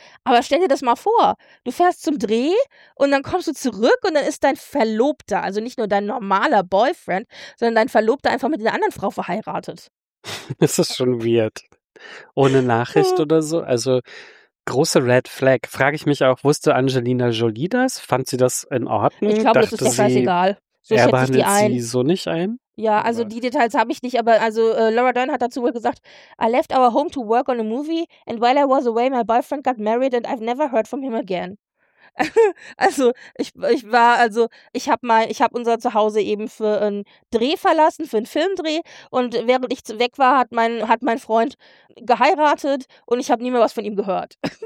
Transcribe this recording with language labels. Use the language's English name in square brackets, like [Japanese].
[German] Aber stell dir das mal vor. Du fährst zum Dreh und dann kommst du zurück und dann ist dein Verlobter, also nicht nur dein normaler Boyfriend, sondern dein Verlobter einfach mit einer anderen Frau verheiratet. Das ist schon weird. Ohne Nachricht oder so. Also große Red Flag. Frage ich mich auch, wusste Angelina Jolie das? Fand sie das in Ordnung? Ich glaube, das ist ja scheißegal. So er behandelt ich die ein. Sie so nicht ein? Ja, also aber die Details habe ich nicht, aber also Laura Dern hat dazu wohl gesagt, [English] I left our home to work on a movie and while I was away, my boyfriend got married and I've never heard from him again. [German] Also ich habe unser Zuhause eben für einen Dreh verlassen, für einen Filmdreh und während ich weg war, hat mein Freund geheiratet und ich habe nie mehr was von ihm gehört.